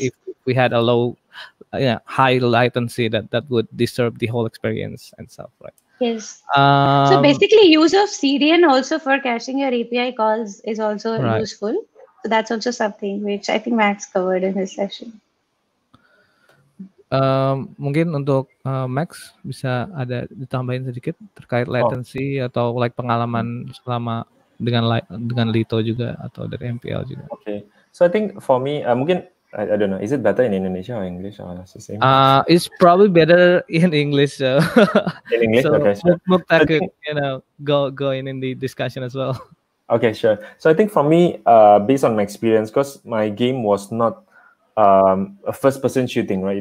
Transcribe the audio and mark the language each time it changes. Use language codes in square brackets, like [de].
[en] Like if we had a low, high latency, that would disturb the whole experience and stuff, right? Yes. So basically, use of CDN also for caching your API calls is also useful. So that's also something which I think Max covered in his session. [id] Mungkin untuk Max bisa ada ditambahin sedikit terkait latency atau like pengalaman selama dengan Lito juga atau dari MPL juga. [en] Okay. So I think for me, mungkin I don't know, is it better in Indonesia or English or it's the same? It's probably better in English. So. In English, so, okay. So Mukta could, you know, go in the discussion as well. Okay, sure. So I think for me, based on my experience, because my game was not a first-person shooting, right?